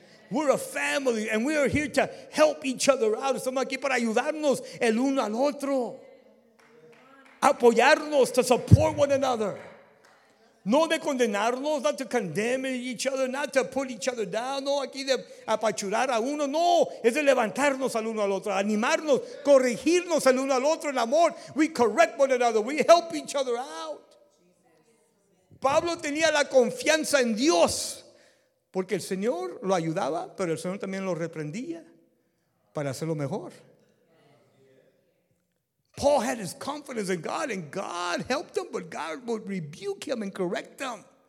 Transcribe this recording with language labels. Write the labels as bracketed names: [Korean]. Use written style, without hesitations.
[English] We're a family, and we are here to help each other out. [Spanish] Estamos aquí para ayudarnos el uno al otro. Apoyarnos, [English] to support one another. [Spanish] No de condenarnos, [English] not to condemn each other, not to put each other down. [Spanish] No, aquí de apachurar a uno. No, es de levantarnos al uno al otro, animarnos, corregirnos el uno al otro en amor. [English] We correct one another. We help each other out. [Spanish] Pablo tenía la confianza en Dios. Porque el Señor lo ayudaba, pero el Señor también lo reprendía para hacerlo mejor. [English] Paul had his confidence in God, and God helped him, but God would rebuke him and correct him.